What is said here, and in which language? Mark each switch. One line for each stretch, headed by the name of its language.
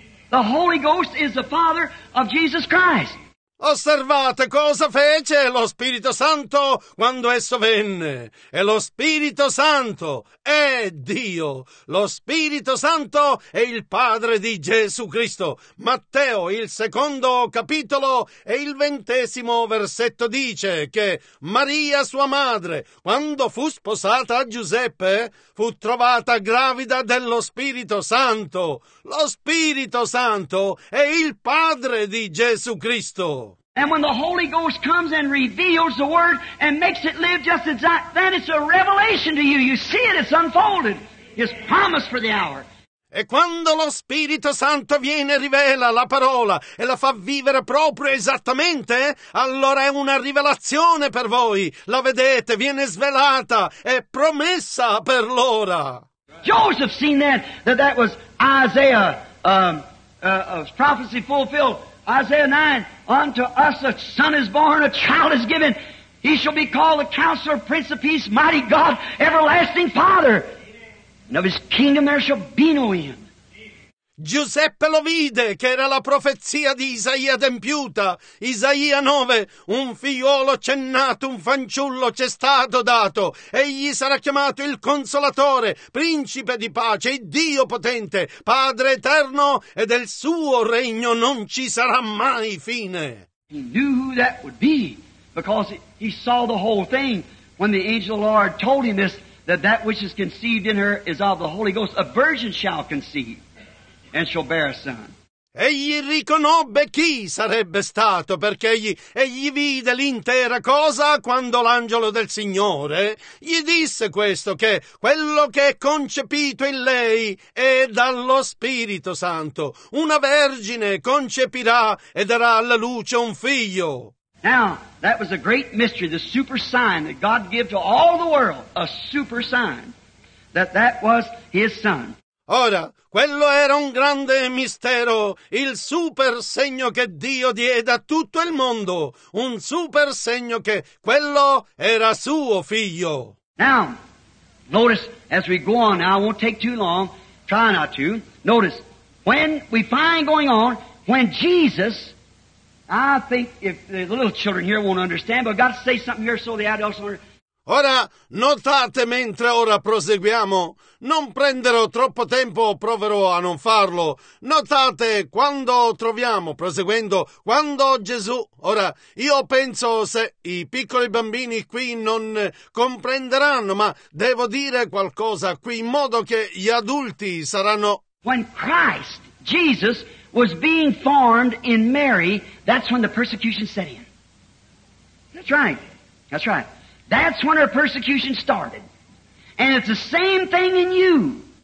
English: The Holy Ghost is the Father of Jesus Christ.
Italian: Osservate cosa fece lo Spirito Santo quando esso venne. E lo Spirito Santo è Dio. Lo Spirito Santo è il Padre di Gesù Cristo. Matteo, il secondo capitolo e il 20° versetto dice che Maria, sua madre, quando fu sposata a Giuseppe, fu trovata gravida dello Spirito Santo. Lo Spirito Santo è il Padre di Gesù Cristo.
English: And when the Holy Ghost comes and reveals the Word and makes it live just exact, then it's a revelation to you. You see it, it's unfolded. It's promised for the hour.
Italian: E quando lo Spirito Santo viene e rivela la parola e la fa vivere proprio esattamente, allora è una rivelazione per voi. La vedete, viene svelata, è promessa per l'ora.
English: Joseph seen that was Isaiah, prophecy fulfilled. Isaiah 9, unto us a son is born, a child is given. He shall be called the Counselor, Prince of Peace, Mighty God, Everlasting Father. And of his kingdom there shall be no end.
Italian: Giuseppe lo vide, che era la profezia di Isaia adempiuta. Isaia 9, un figliolo c'è nato, un fanciullo c'è stato dato. Egli sarà chiamato il Consolatore, Principe di Pace, il Dio Potente, Padre Eterno, e del suo regno non ci sarà mai fine.
English: He knew who that would be, because he saw the whole thing when the angel of the Lord told him this, that which is conceived in her is of the Holy Ghost, a virgin shall conceive. And shall bear a son.
Italian: Egli riconobbe chi sarebbe stato, perché egli vide l'intera cosa quando l'angelo del Signore gli disse questo, che quello che è concepito in lei è dallo Spirito Santo. Una vergine concepirà e darà alla luce un figlio.
English: Now, that was a great mystery, the super sign that God gave to all the world, a super sign, that was his son.
Italian: Ora, quello era un grande mistero, il super segno che Dio diede a tutto il mondo, un super segno che quello era suo figlio.
English: Now, notice, as we go on, now I won't take too long, try not to, notice, when we find going on, when Jesus, I think if the little children here won't understand, but I've got to say something here so the adults will understand.
Italian: Ora, notate mentre ora proseguiamo, non prenderò troppo tempo, proverò a non farlo, notate quando troviamo, proseguendo, quando Gesù, ora, io penso se i piccoli bambini qui non comprenderanno, ma devo dire qualcosa qui in modo che gli adulti saranno...
English: When Christ, Jesus, was being formed in Mary, that's when the persecution set in. That's right. That's when her persecution started. And it's the same thing in you.